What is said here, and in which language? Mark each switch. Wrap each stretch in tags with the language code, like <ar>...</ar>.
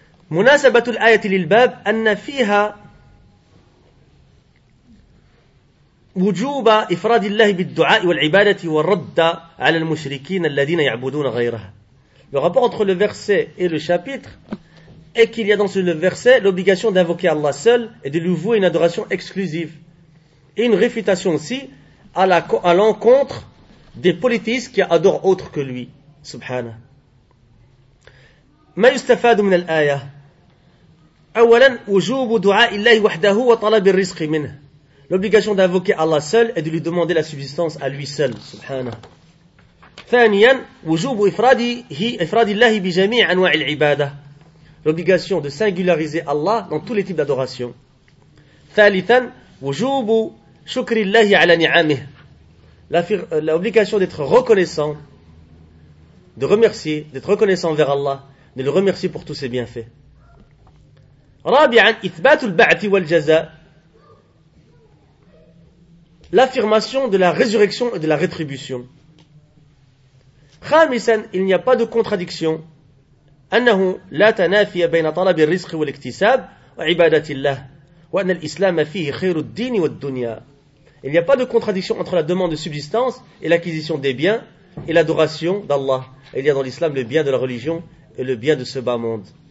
<ar>مناسبة الآية للباب أن فيها وجوب إفراد الله بالدعاء والعبادة والرد على المشركين الذين يعبدون غيرها.</ar> <fr>Le rapport entre le verset et le chapitre est qu'il y a dans ce verset l'obligation d'invoquer Allah seul et de lui vouer une adoration exclusive et une réfutation aussi à l'encontre des polythéistes qui adorent autre que lui.</fr> <ar>Subhana. ما يستفاد من الآية أولا وجوب دعاء الله وحده وطلب الرزق منه.</ar> <fr>L'obligation d'invoquer Allah seul et de lui demander la subsistance à lui seul.</fr> <ar>سبحانه. ثانيا وجوب إفراد الله بجميع أنواع العبادة.</ar> <fr>L'obligation de singulariser Allah dans tous les types d'adoration.</fr> <ar>ثالثا وجوب شكر الله على نعمه.</ar> <fr>L'obligation d'être reconnaissant, de remercier, d'être reconnaissant vers Allah, de le remercier pour tous ses bienfaits.</fr> <ar>رابعا إثبات البعث والجزاء.</ar> <fr>L'affirmation de la résurrection et de la rétribution.</fr> <ar>خامسا</ar> <fr>il n'y a pas de contradiction.</fr> <ar>أنه لا تنافي بين طلب الرزق والاكتساب وعبادة الله وأن الإسلام فيه خير الدين والدنيا.</ar> <fr>Il n'y a pas de contradiction entre la demande de subsistance et l'acquisition des biens et l'adoration d'Allah. Il y a dans l'islam le bien de la religion et le bien de ce bas monde.</fr>